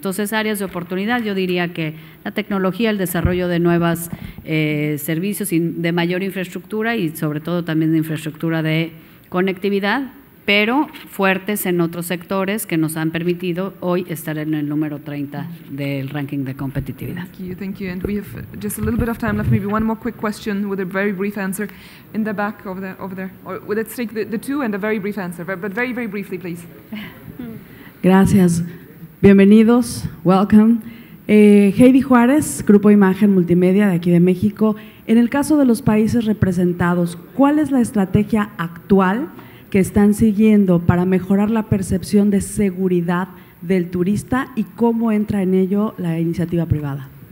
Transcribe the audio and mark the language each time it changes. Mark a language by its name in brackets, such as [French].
[Spanish] Entonces, áreas de oportunidad, yo diría que la tecnología, el desarrollo de nuevos servicios y de mayor infraestructura, y sobre todo también de infraestructura de conectividad, pero fuertes en otros sectores que nos han permitido hoy estar en el número 30 del ranking de competitividad. [English] Thank you. And we have just a little bit of time left. Maybe one more quick question with a very brief answer in the back over there. Or let's take the two and a very brief answer, but very, very briefly, please. [Spanish] Gracias. Bienvenidos. Welcome. Heidi Juárez, Grupo Imagen Multimedia de aquí de México. En el caso de los países representados, ¿cuál es la estrategia actual que están siguiendo para mejorar la percepción de seguridad del turista y cómo entra en ello la iniciativa privada?